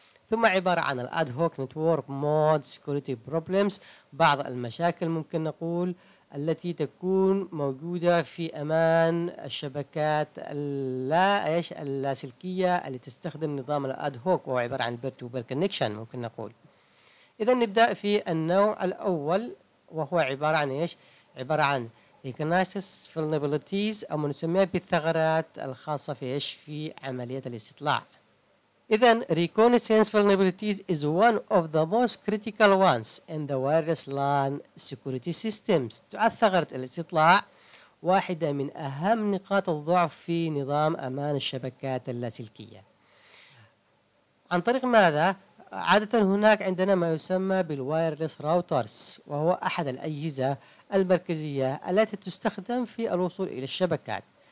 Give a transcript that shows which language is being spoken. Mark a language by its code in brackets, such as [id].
[ar] ثم عبارة عن الاد هوك نتورك مود سيكوريتي بروبلمز، بعض المشاكل ممكن نقول التي تكون موجودة في أمان الشبكات اللاسلكية التي تستخدم نظام الاد هوك، وهو عبارة عن بير تو بير كونكشن ممكن نقول. إذا نبدأ في النوع الأول، وهو عبارة عن عبارة عن ريكونايسس فيلنبيليتيز، أو ما نسميها بالثغرات الخاصة في في عملية الاستطلاع. إذن [en] reconnaissance vulnerabilities is one of the most critical ones in the wireless LAN security systems. [ar] تعد ثغرة الاستطلاع واحدة من أهم نقاط الضعف في نظام أمان الشبكات اللاسلكية. عن طريق ماذا؟ عادة هناك عندنا ما يسمى بالwireless routers، وهو أحد الأجهزة المركزية التي تستخدم في الوصول إلى الشبكات.